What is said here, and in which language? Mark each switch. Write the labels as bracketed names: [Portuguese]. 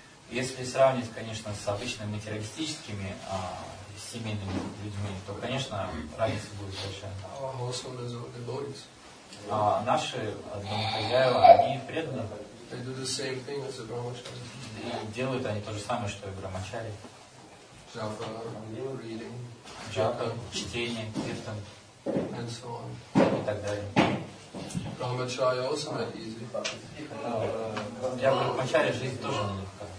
[Russian] Если сравнить, конечно, с обычными материалистическими семейными людьми, то, конечно, разница будет большая. А наши домохозяева, они преданы. [English] They do the same thing as the brahmacharis. [Russian] Делают они то же самое, что и брамачари. [English] Japa, reading. [Russian] Japa, чтение, kirtan. [English] And so on. [Russian] И так далее. [English] Brahmacharya also not easy. [Russian] Для брахмачари жизнь тоже нелегка.